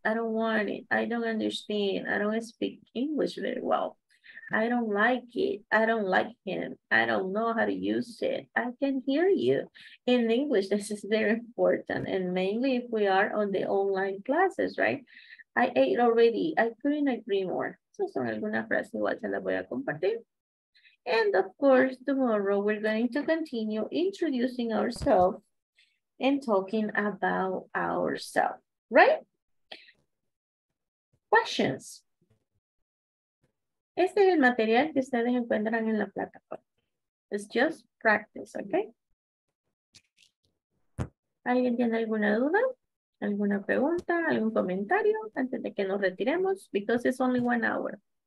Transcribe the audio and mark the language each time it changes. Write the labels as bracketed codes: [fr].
[en] I don't want it. I don't understand. I don't speak English very well. I don't like it. I don't like him. I don't know how to use it. I can hear you. In English, this is very important. And mainly if we are on the online classes, right? I ate already. I couldn't agree more. [es] So son algunas frases igual se las voy a compartir. [en] And of course, tomorrow we're going to continue introducing ourselves and talking about ourselves. Right? Questions. [es] Este es el material que ustedes encuentran en la plataforma. [en] It's just practice, okay? [es] ¿Alguien tiene alguna duda? ¿Alguna pregunta? ¿Algún comentario? Antes de que nos retiremos, [en] because it's only 1 hour.